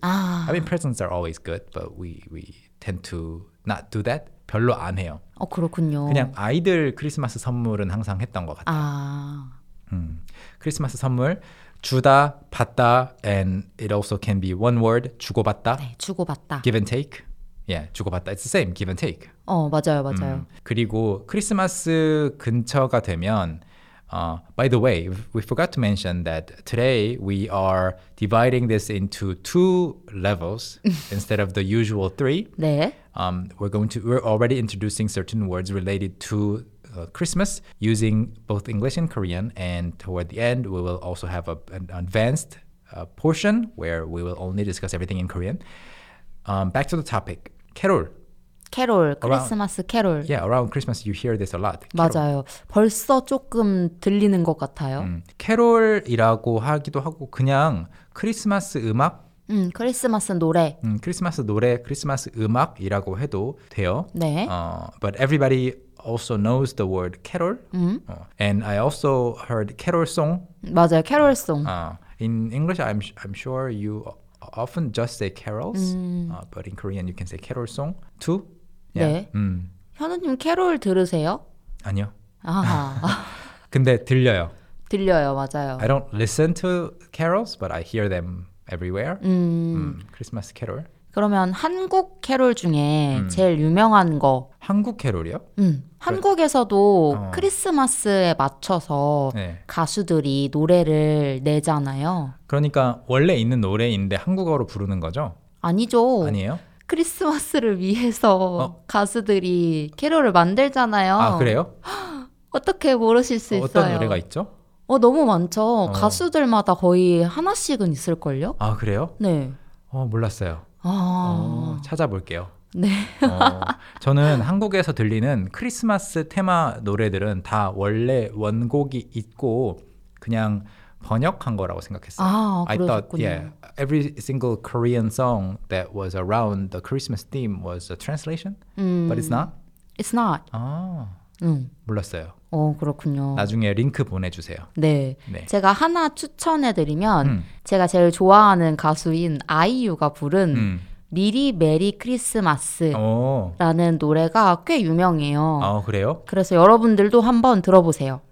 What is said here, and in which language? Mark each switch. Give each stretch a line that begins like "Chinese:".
English: I mean, presents are always good, but we tend to not do that.
Korean: 별로 안 해요. 어, 그렇군요. 그냥 아이들 크리스마스 선물은 항상 했던 것 같아요. 아. 크리스마스 선물 주다, 받다,
English: and it also can be one word, 주고받다.
Korean: 네, 주고받다.
English: Give and take. Yeah, 주고받다. It's the same, give and take.
Korean: 어, 맞아요, 맞아요. 그리고 크리스마스 근처가 되면,
English: by the way, we forgot to mention that today we are dividing this into two levels instead of the usual three.
Korean: 네.
English: We're already introducing certain words related to Christmas using both English and Korean, and toward the end we will also have an advanced portion where we will only discuss everything in Korean. Back to the topic, 캐롤.
Korean: 캐롤, 크리스마스 캐롤.
English: Yeah, around Christmas you hear this a lot.
Korean: 캐롤. 맞아요. 벌써 조금 들리는 것 같아요. 캐롤이라고 하기도 하고 그냥 크리스마스 음악. 크리스마스 노래. 크리스마스 노래, 크리스마스 음악이라고 해도 돼요. 네.
English: But everybody also knows the word 캐롤. And I also heard 캐롤 송.
Korean: 맞아요, 캐롤 송.
English: In English, I'm sure you often just say carols, but in Korean you can say 캐롤 송 too.
Korean: Yeah. 네. 현우님 캐롤 들으세요? 아니요. 아. 근데 들려요. 들려요, 맞아요.
English: I don't listen to carols, but I hear them everywhere. Christmas carol.
Korean: 그러면 한국 캐롤 중에 제일 유명한 거. 한국 캐롤이요? 한국에서도 크리스마스에 맞춰서 네. 가수들이 노래를 내잖아요. 그러니까 원래 있는 노래인데 한국어로 부르는 거죠? 아니죠. 아니에요? 크리스마스를 위해서 가수들이 캐롤을 만들잖아요. 아, 그래요? 어떻게 모르실 수 있어요? 어떤 노래가 있죠? 너무 많죠. 가수들마다 거의 하나씩은 있을걸요? 아, 그래요? 네. 몰랐어요. 찾아볼게요. 네. 저는 한국에서 들리는 크리스마스 테마 노래들은 다 원래 원곡이 있고 그냥 번역한 거라고 생각했어요. 아, 그러셨군요.
English: I thought, yeah, every single Korean song that was around the Christmas theme was a translation, but it's not? It's not.
Korean: 몰랐어요. 그렇군요. 나중에 링크 보내주세요. 네. 네. 제가 하나 추천해드리면 제가 제일 좋아하는 가수인 아이유가 부른 미리 메리 크리스마스라는 노래가 꽤 유명해요. 그래요? 그래서 여러분들도 한번 들어보세요.